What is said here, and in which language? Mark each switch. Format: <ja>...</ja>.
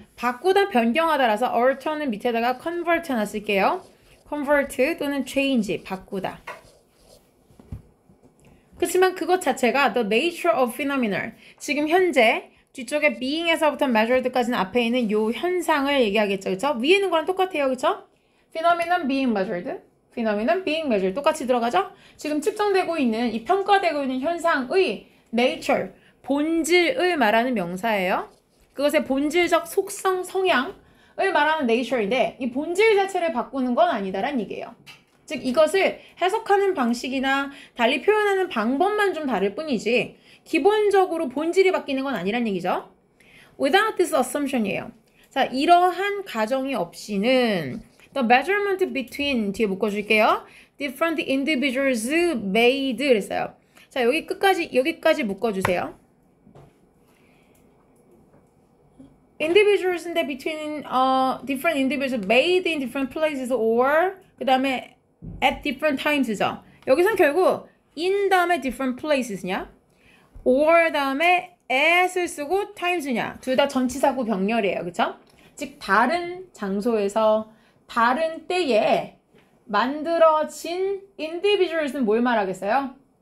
<ko>바꾸다 변경하다라서 alter는 밑에다가 convert 하나 쓸게요. convert 또는 change, 바꾸다. 그렇지만 그것 자체가</ko> <en>the nature of phenomenon,</en> <ko>지금 현재 뒤쪽에 being에서부터 measured까지는 앞에 있는 요 현상을 얘기하겠죠. 그렇죠? 위에 있는 거랑 똑같아요. 그렇죠?</ko> <en>phenomenon being measured, phenomenon being measured</en> <ko>똑같이 들어가죠? 지금 측정되고 있는 이 평가되고 있는 현상의 nature, 본질을 말하는 명사예요. 그것의 본질적 속성, 성향을 말하는 nature인데 이 본질 자체를 바꾸는 건 아니다라는 얘기예요. 즉 이것을 해석하는 방식이나 달리 표현하는 방법만 좀 다를 뿐이지 기본적으로 본질이 바뀌는 건 아니라는 얘기죠.</ko> <en>Without this assumption이에요.</en> <ko>자, 이러한 가정이 없이는</ko> <en>the measurement between</en> <ko>뒤에 묶어줄게요.</ko> <en>Different individuals made 그랬어요.</en> <ko>자, 여기 끝까지 여기까지 묶어주세요.</ko> <en>Individuals인데 between different individuals made in different places or</en> <ko>그 다음에</ko> <en>at different times죠.</en> <ko>여기선 결국 in 다음에 different places냐 or 다음에 at을 쓰고 times냐 둘 다 전치사구 병렬이에요. 그쵸? 즉 다른 장소에서 다른 때에 만들어진 individuals는 뭘 말하겠어요?</ko>